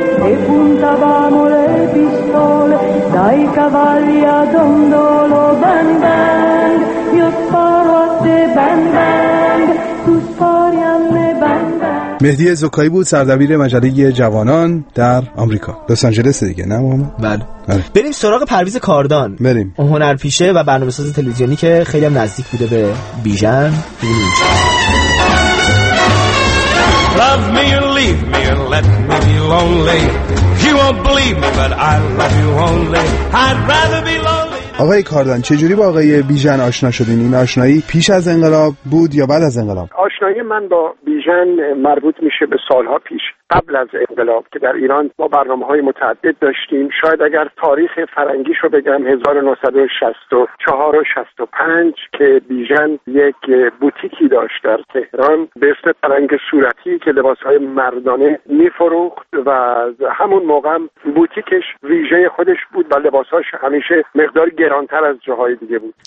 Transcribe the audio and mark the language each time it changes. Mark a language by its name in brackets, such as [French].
[Italian] E puntavamo le pistole dai cavalli a dondolo, bang bang, io sparo a te, bang bang, tu spari a me, bang bang. [Persian] مهدی زوکایی بود، سردبیر مجله جوانان در آمریکا، لس آنجلس دیگه، نه محمد؟ بله. بله. بریم سراغ پرویز کاردان. بریم. اون هنرپیشه و برنامه‌ساز تلویزیونی که خیلی هم نزدیک بوده به بیژن. [English] Love me or leave me or let me be lonely. You won't believe me, but I love you only. I'd rather be lonely. [Persian] آقای کاردان، چجوری با آقای بیژن آشنا شدین؟ این آشنایی پیش از انقلاب بود یا بعد از انقلاب؟ آشنایی من با بیژن مربوط میشه به سالها پیش، قبل از انقلاب، که در ایران ما برنامه‌های متعدد داشتیم. شاید اگر تاریخ فرنگیشو بگم 1964 و 65 که بیژن یک بوتیکی داشت در تهران به اسم فرنگ صورتی که لباس‌های مردانه می‌فروخت و همون موقع هم بوتیکش ویژه خودش بود و لباس‌هاش همیشه مقدار گران‌تر از جاهای دیگه بود.